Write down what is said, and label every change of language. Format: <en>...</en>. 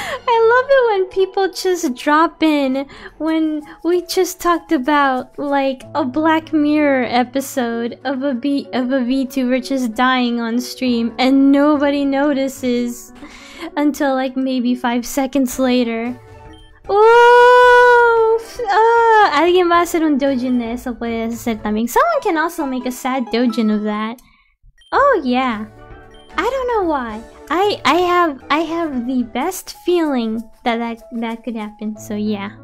<en>I love it when people just drop in when we just talked about like a Black Mirror episode of a VTuber just dying on stream and nobody notices until like maybe 5 seconds later.</en> <es>Oh, alguien va a hacer un doujin de eso, puede ser también.</es> <en>Someone can also make a sad doujin of that. Oh yeah. I don't know why. I have the best feeling that could happen, so yeah.</en>